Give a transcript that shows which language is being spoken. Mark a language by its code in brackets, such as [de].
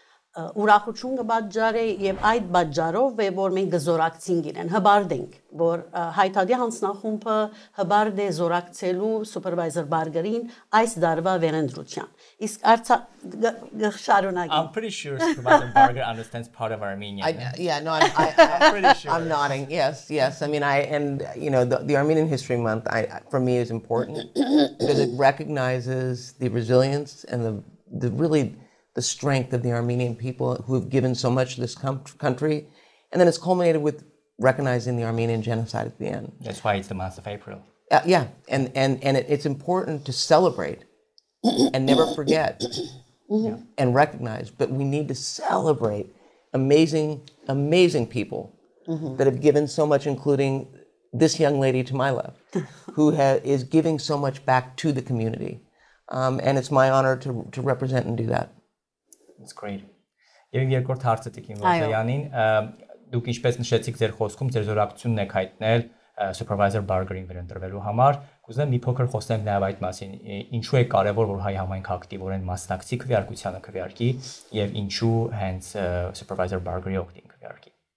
[hy] ուրախություն կպատճառի, եւ այդ պատճառով է, որ մենք զորակցինք իրեն, հբարդենք, որ հայթադի հանձնախումբը հբարդ է զորակցելու սուպերվայզեր Բարգերին այս դարվա վերընտրության։ Իսկ Արցախ շարունակի։ [en] I'm pretty sure supervisor Barger understands part of Armenian. I'm pretty sure. I'm nodding. Yes. I mean, the Armenian History Month for me is important because it recognizes the resilience and the really the strength of the Armenian people who have given so much to this country, and then it's culminated with recognizing the Armenian genocide at the end. That's why it's the month of April. It's important to celebrate and never forget and recognize, but we need to celebrate amazing people that have given so much, including this young lady to my left, who is giving so much back to the community. And it's my honor to represent and do that. It's great. [hy] Եվ երկրորդ հարցը տիկին Պոզոյանին, դուք ինչպես նշեցիք ձեր խոսքում, ձեր զորակցությունն եք հայտնել supervisor Barger-ին վերընտրվելու համար, կուզեմ մի փոքր խոսենք նաև այդ մասին, ինչու է կարևոր, որ հայ համայնքը ակտիվորեն մասնակցի քվեարկությանը, քվեարկի, եւ ինչու հենց supervisor Barger-ի օգտին քվեարկի։